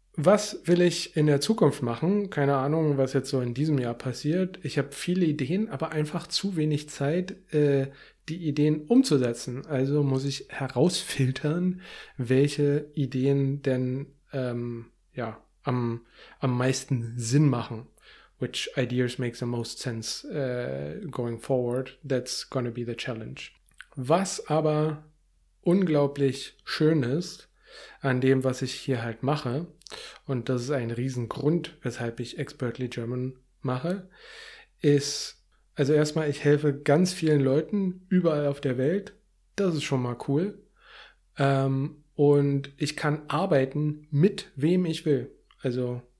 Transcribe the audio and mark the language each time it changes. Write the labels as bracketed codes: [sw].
[de] Was will ich in der Zukunft machen? Keine Ahnung, was jetzt so in diesem Jahr passiert. Ich habe viele Ideen, aber einfach zu wenig Zeit, die Ideen umzusetzen. Also muss ich herausfiltern, welche Ideen denn am meisten Sinn machen. [en] Which ideas make the most sense going forward? That's gonna be the challenge. [de] Was aber unglaublich schön ist, an dem, was ich hier halt mache, und das ist ein Riesengrund, weshalb ich Expertly German mache, ist, also erstmal, ich helfe ganz vielen Leuten überall auf der Welt, das ist schon mal cool, und ich kann arbeiten mit wem ich will, also